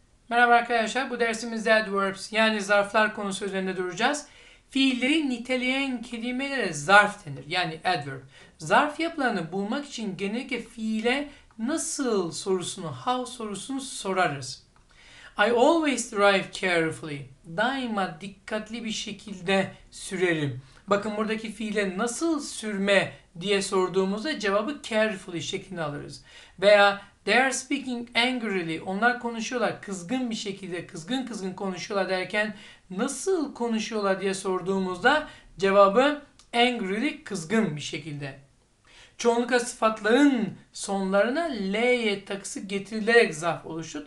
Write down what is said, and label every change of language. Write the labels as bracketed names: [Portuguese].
[Turkish] Merhaba arkadaşlar, bu dersimizde adverbs yani zarflar konusu üzerinde duracağız. Fiilleri niteleyen kelimelere zarf denir yani adverb. Zarf yapılarını bulmak için genellikle fiile nasıl sorusunu, how sorusunu sorarız. [English] I always drive carefully. [Turkish] Daima dikkatli bir şekilde sürerim. Bakın buradaki fiile nasıl sürme diye sorduğumuzda cevabı carefully şeklinde alırız. Veya [English] they are speaking angrily. [Turkish] Onlar konuşuyorlar kızgın bir şekilde, kızgın kızgın konuşuyorlar derken nasıl konuşuyorlar diye sorduğumuzda cevabı angrily kızgın bir şekilde. Çoğunlukla sıfatların sonlarına l-ye takısı getirilerek zarf oluşur.